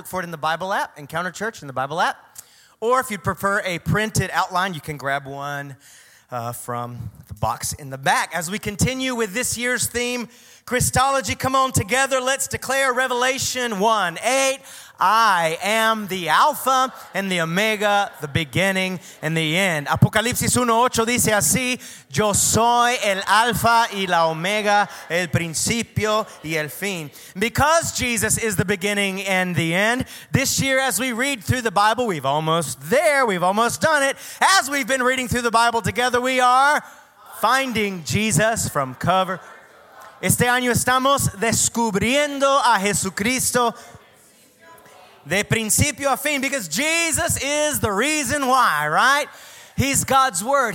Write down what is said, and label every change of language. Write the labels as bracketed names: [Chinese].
[English] Look for it in the Bible app, Encounter Church in the Bible app. Or if you'd prefer a printed outline, you can grab one from the box in the back. As we continue with this year's theme, Christology, come on together. Let's declare Revelation 1:8. I am the Alpha and the Omega, the beginning and the end. [Spanish] Apocalipsis 1:8 dice así, yo soy el Alpha y la Omega, el principio y el fin. [English] Because Jesus is the beginning and the end, this year as we read through the Bible, we've almost done it. As we've been reading through the Bible together, we are finding Jesus from cover. [Spanish] Este año estamos descubriendo a Jesucristo de principio a fin, [English] because Jesus is the reason why, right? He's God's word.